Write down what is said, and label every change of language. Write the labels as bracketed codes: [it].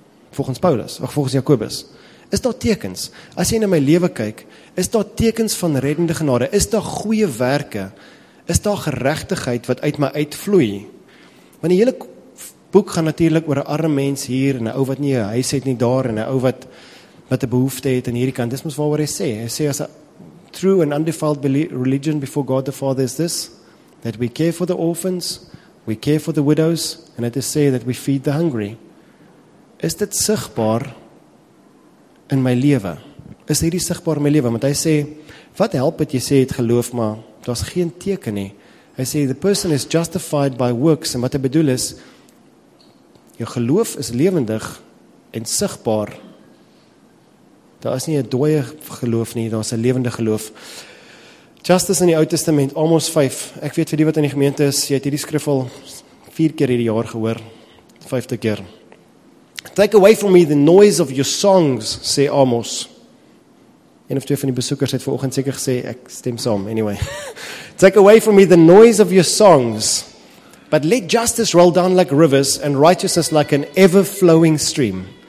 [af] Volgens Paulus, of volgens Jakobus, is daar tekens. As jy na my lewe kyk, is daar tekens van reddende genade, is daar goeie werke, is daar geregtigheid wat uit my uitvloei. Want die hele boek gaan natuurlik oor 'n arme mens hier, en 'n ou wat nie 'n huis het nie daar, en 'n ou wat 'n behoefte het aan hierdie kant. Dis mos waaroor hy sê. Hy sê, [en] as a true and undefiled religion before God the Father is this, that we care for the orphans, we care for the widows, and it is said that we feed the hungry. [af] Is dit sigbaar in my lewe? Is hierdie sigbaar in my lewe? Want hy sê, wat help het jy sê het geloof, maar daar's geen teken nie. Hy sê, [en] the person is justified by works, [af] en wat hy bedoel is, jou geloof is lewendig en sigbaar. Daar is nie 'n dooie geloof nie, daar is 'n lewende geloof. Justice in die Ou Testament, Amos 5. Ek weet vir die wat in die gemeente is, jy het hierdie skrif al 4 keer hierdie jaar gehoor, 5de keer. [en] Take away from me the noise of your songs, [af] sê Amos. Een of twee van die besoekers het vanoggend seker gesê, ek stem saam, anyway. [en] Take away from me the noise of your songs, but let justice roll down like rivers and righteousness like an ever-flowing stream.